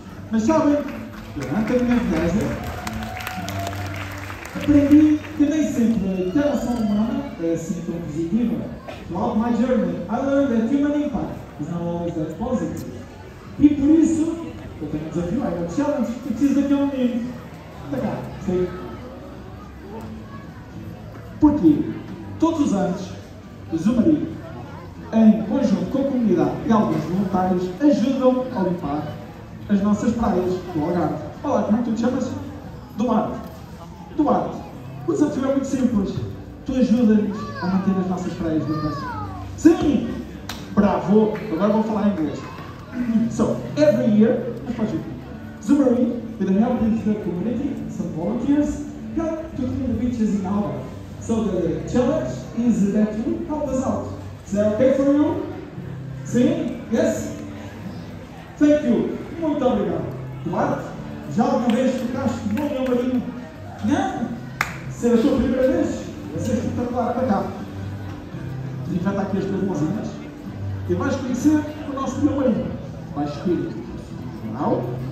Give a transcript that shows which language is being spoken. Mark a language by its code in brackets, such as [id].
[pt] Mas sabem, durante a minha viagem, aprendi que nem sempre a interação humana é assim tão positiva. [en] Throughout my journey, I learned that human impact is not always that positive. [pt] E por isso, eu tenho um desafio, [en] I have a challenge, [pt] eu preciso daquele menino. Está cá, sei. Porque todos os anos, Zoomarine, em conjunto com a comunidade e alguns voluntários, ajudam a limpar as nossas praias do Algarve. Olá, como é que tu te chamas? Duarte. Duarte, o desafio é muito simples. Tu ajudas-nos a manter as nossas praias limpas. Sim! Bravo! Agora vou falar em inglês. [en] So, every year, [pt] as pessoas vêm. [en] Zoomarine, with the help of the community, some volunteers, help to clean the beaches in Algarve. So, the challenge is that you help us out. Is that okay for you? [pt] Sim? [en] Yes? Thank you. [pt] Muito obrigado. Duarte, já alguma vez tocaste no meu marinho? Não. Será a sua primeira vez? Vai ser espetacular. Para cá. Desinfeta aqui as tuas mãozinhas. E vais conhecer o nosso meu marinho. Vais subir. Não?